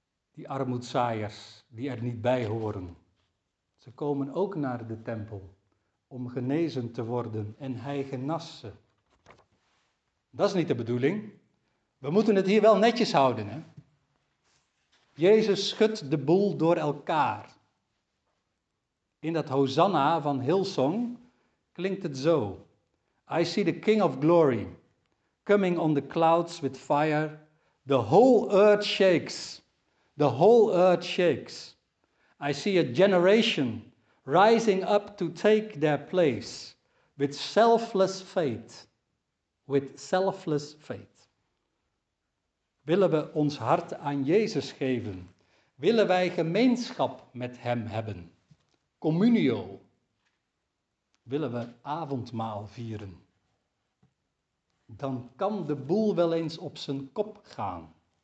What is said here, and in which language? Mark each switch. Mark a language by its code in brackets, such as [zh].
[nl] Die armoedzaaiers die er niet bij horen. Ze komen ook naar de tempel om genezen te worden en hij genas ze. Dat is niet de bedoeling. We moeten het hier wel netjes houden, hè? Jezus schudt de boel door elkaar. In dat Hosanna van Hillsong klinkt het zo. [en] I see the King of Glory coming on the clouds with fire. The whole earth shakes. The whole earth shakes. I see a generation rising up to take their place with selfless faith. With selfless faith. [nl] Willen we ons hart aan Jezus geven? Willen wij gemeenschap met hem hebben? Communio. Willen we avondmaal vieren? Dan kan de boel wel eens op zijn kop gaan.